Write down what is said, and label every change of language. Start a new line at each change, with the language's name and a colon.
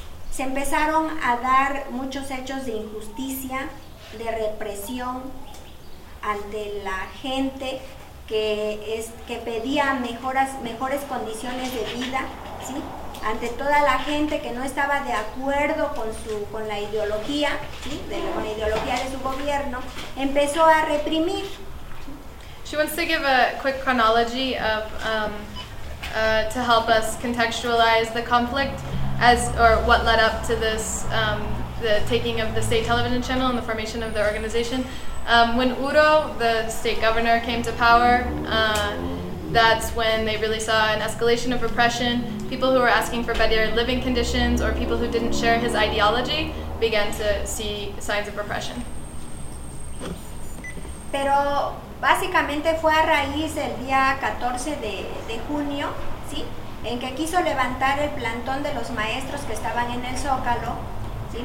Spanish: Se empezaron a dar muchos hechos de injusticia, de represión ante la gente que pedía mejores condiciones de vida, ¿sí? Ante toda la gente que no estaba de acuerdo con la ideología, ¿sí? Con la ideología de su gobierno, empezó a reprimir.
English: She wants to give a quick chronology of to help us contextualize the conflict or what led up to this the taking of the state television channel and the formation of the organization. When Uro, the state governor, came to power, that's when they really saw an escalation of repression. People who were asking for better living conditions or people who didn't share his ideology began to see signs of repression.
Spanish: Pero básicamente fue a raíz del día 14 de junio, ¿sí? En que quiso levantar el plantón de los maestros que estaban en el Zócalo, ¿sí?